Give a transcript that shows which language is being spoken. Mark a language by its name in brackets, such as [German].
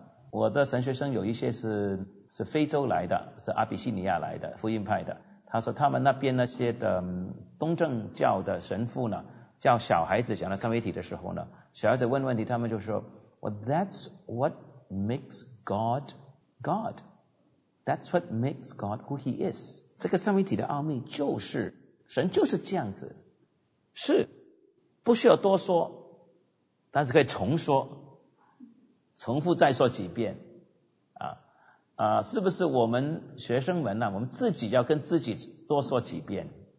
[Chinese] 我的神学生有一些是非洲来的，是阿比西尼亚来的福音派的。他说他们那边那些的东正教的神父呢，叫小孩子讲到三位一体的时候呢，小孩子问问题，他们就说 ： [English] “Well, that's what。” makes God God. That's what makes God who he is. [Chinese] 这个三位一体的奥秘就是神就是这样子。是不需要多说，但是可以重说，重复再说几遍啊啊！是不是我们学生们呢、啊？我们自己要跟自己多说几遍？